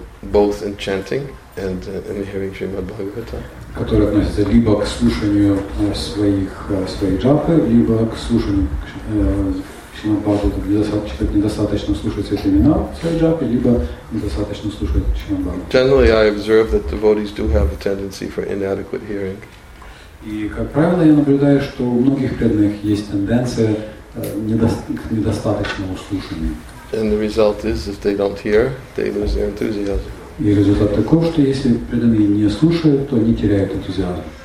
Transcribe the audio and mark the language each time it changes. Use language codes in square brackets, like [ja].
[en] Both in chanting and in hearing Srimad Bhagavatam. [ru] Которые относятся либо к слушанию своей джапы, либо к слушанию Шримад-Бхагаватам. Недостаточно слушать эти имена своей джапы, либо недостаточно слушать Шримад-Бхагаватам. [en] Generally, I observe that devotees do have a tendency for inadequate hearing. [ru] И, как правило, я наблюдаю, что у многих преданных есть тенденция к недостаточному слушанию. [en] And the result is, if they don't hear, they lose their enthusiasm. [ru] И результат таков, что если преданные не слушают, то они теряют энтузиазм.